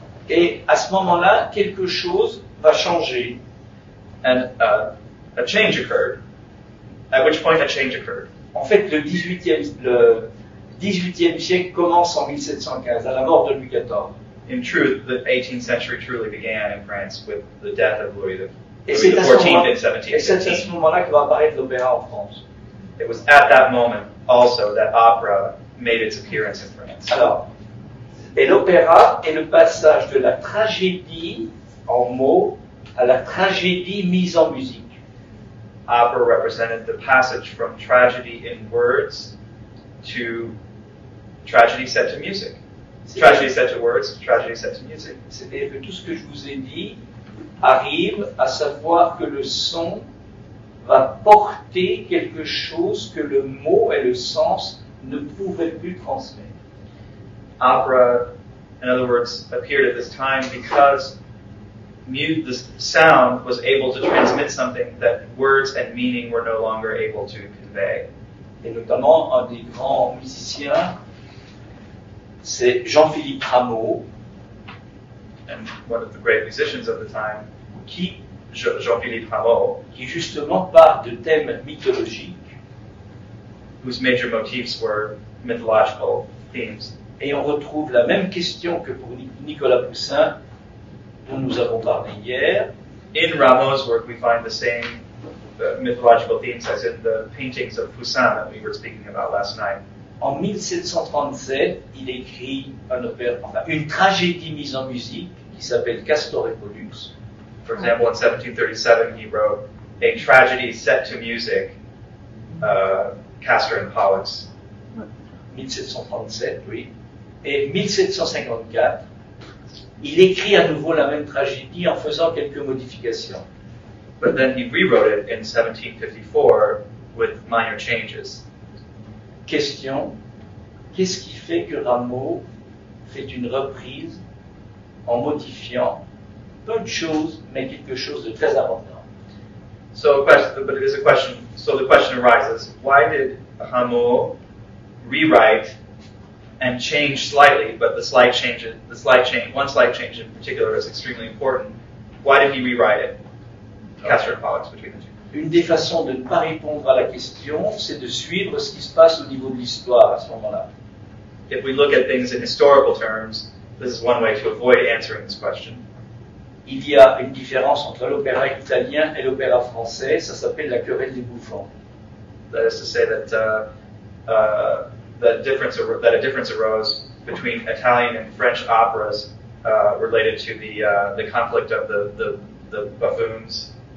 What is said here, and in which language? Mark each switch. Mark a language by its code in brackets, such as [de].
[fr] Et à ce moment-là, quelque chose va changer. [en] And a change occurred. At which point a change occurred. [fr] En fait, le 18e siècle commence en 1715, à la mort de Louis XIV. [en] In truth, the 18th century truly began in France with the death of Louis XIV in 1715. [fr] Et c'est à ce moment-là que va apparaître l'opéra en France. [en] It was at that moment also that opera made its appearance in France. [fr] Alors, et l'opéra est le passage de la tragédie en mots à la tragédie mise en musique. [en] Opera represented the passage from tragedy in words to tragedy set to music. Tragedy set to words, tragedy set to music. [fr] C'est-à-dire que tout ce que je vous ai dit arrive à savoir que le son va porter quelque chose que le mot et le sens ne pouvaient plus transmettre. [en] Opera, in other words, appeared at this time because the sound was able to transmit something that words and meaning were no longer able to convey. [fr] Et notamment un des grands musiciens, c'est Jean-Philippe Rameau. [en] And one of the great musicians of the time, Jean-Philippe Rameau, [fr] qui justement part de thèmes mythologiques, [en] whose major motifs were mythological themes. [fr] Et on retrouve la même question que pour Nicolas Poussin, dont nous avons parlé hier. [en] In Rameau's work, we find the same mythological themes as in the paintings of Poussin that we were speaking about last night. [fr] En 1737, il écrit un opéra, enfin, une tragédie mise en musique qui s'appelle Castor et Pollux. [en] For example, in 1737, he wrote a tragedy set to music, Castor and Pollux. [fr] 1737, oui. Et 1754, il écrit à nouveau la même tragédie en faisant quelques modifications. [en] But then he rewrote it in 1754 with minor changes. [fr] Question, qu'est-ce qui fait que Rameau fait une reprise en modifiant peu de choses, mais quelque chose de très important? [en] So, the question arises, why did Rameau rewrite and change slightly, but one slight change in particular is extremely important. Why did he rewrite it? Castor and Pollux between the two. [fr] Une des façons de ne pas répondre à la question, c'est de suivre ce qui se passe au niveau de l'histoire à ce moment-là. [en] If we look at things in historical terms, this is one way to avoid answering this question. [fr] Il y a une différence entre l'opéra italien et l'opéra français, ça s'appelle la querelle des bouffons. [en] That is to say that a difference arose between Italian and French operas related to the conflict of the buffoons.